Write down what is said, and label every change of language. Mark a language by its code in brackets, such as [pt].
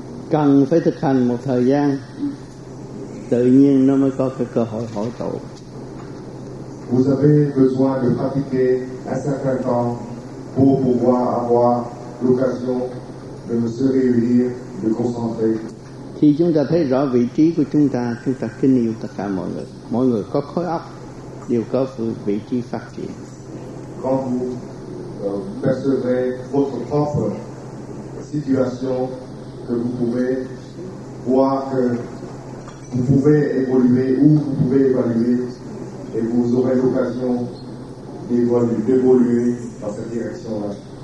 [vi] Cần phải thực hành một thời gian, tự nhiên nó mới có cái cơ hội hội tụ. [fr] Vous avez besoin de pratiquer un certain temps pour pouvoir avoir l'occasion de se réunir, de concentrer. [vi] Khi chúng ta thấy rõ vị trí của chúng ta kính yêu tất cả mọi người. Mọi người có khối óc, đều có vị trí phát triển. [fr] Quand vous percevez votre propre situation, que vous pouvez voir que vous pouvez évoluer ou vous pouvez évaluer et vous aurez l'occasion d'évoluer dans cette direction-là.